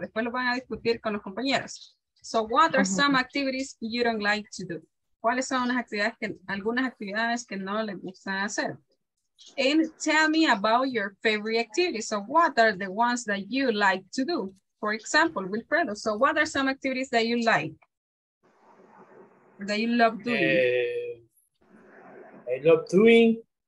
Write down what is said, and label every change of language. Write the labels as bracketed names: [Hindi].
[Spanish] Después lo van a discutir con los compañeros. [English] So what are some activities you don't like to do? [Spanish] ¿Cuáles son las actividades que, algunas actividades que no les gustan hacer? [English] And tell me about your favorite activities. So what are the ones that you like to do? For example, Wilfredo, so what are some activities that you like? That you love doing? I love doing.